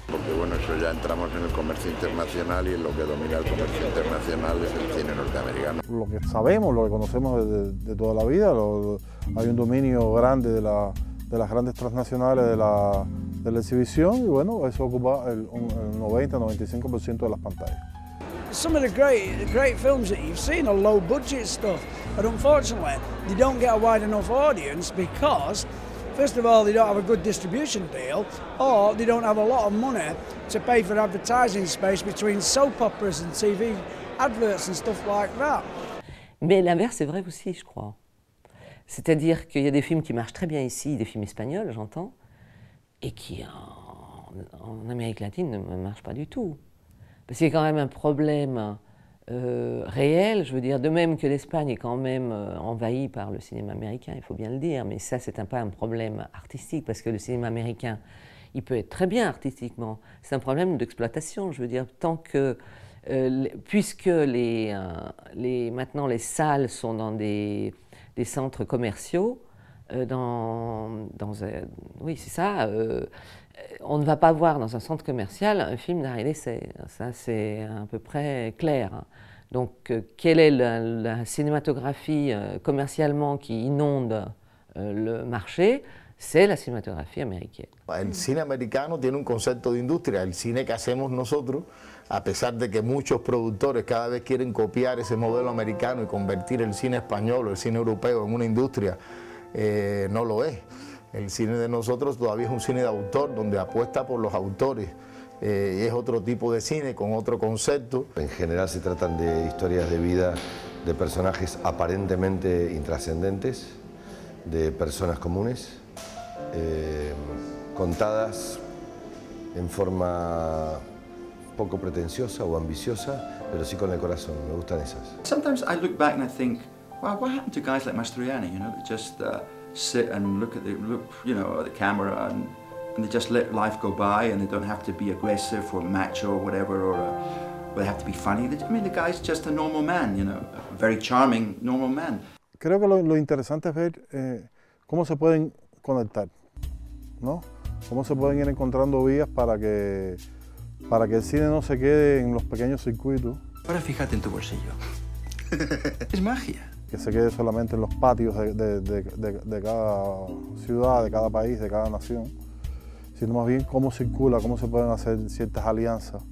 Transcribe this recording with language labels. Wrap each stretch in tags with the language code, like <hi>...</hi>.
<es>Porque bueno, eso ya entramos en el comercio internacional y en lo que domina el comercio internacional es el cine norteamericano. Lo que sabemos, lo que conocemos de toda la vida, hay un dominio grande de las grandes transnacionales de la exhibición y bueno, eso ocupa el 90-95% de las pantallas.</es> <en>Some of the great films that you've seen are low budget stuff, but unfortunately they don't get a wide enough audience because first of all they don't have a good distribution deal or they don't have a lot of money to pay for advertising space between soap operas and TV adverts and stuff like that.</en> <fr>Mais l'inverse est vrai aussi, je crois. C'est-à-dire qu'il y a des films qui marchent très bien ici, des films espagnols, j'entends, et qui en Amérique latine ne marchent pas du tout. Parce qu'il y a quand même un problème réel, je veux dire, de même que l'Espagne est quand même envahie par le cinéma américain, il faut bien le dire, mais ça, c'est pas un problème artistique, parce que le cinéma américain, il peut être très bien artistiquement, c'est un problème d'exploitation, je veux dire, tant que, puisque maintenant les salles sont dans des centres commerciaux, oui, c'est ça, on ne va pas voir dans un centre commercial un film d'art et d'essai. Ça, c'est à peu près clair. Donc, quelle est la cinématographie commercialement qui inonde le marché? C'est la cinématographie américaine.</fr> <es>El cine americano tiene un concepto de industria. El cine que hacemos nosotros, a pesar de que muchos productores cada vez quieren copiar ese modelo americano y convertir el cine español o el cine europeo en una industria, no lo es. El cine de nosotros todavía es un cine de autor, donde apuesta por los autores. Es otro tipo de cine con otro concepto. En general se tratan de historias de vida de personajes aparentemente intrascendentes, de personas comunes, contadas en forma poco pretenciosa o ambiciosa, pero sí con el corazón. Me gustan esas.</es> <en>Sometimes I look back and I think, well, what happened to guys like Mastroianni, you know, that just sit and look at the camera and they just let life go by and they don't have to be aggressive or macho or whatever, or they have to be funny. The guy's just a normal man, you know, a very charming normal man.</en> <es>Creo que lo interesante es ver cómo se pueden conectar, ¿no? Cómo se pueden ir encontrando vías para que el cine no se quede en los pequeños circuitos. Ahora fíjate en tu bolsillo. Es magia. Que se quede solamente en los patios de cada ciudad, de cada país, de cada nación, sino más bien cómo circula, cómo se pueden hacer ciertas alianzas.</es>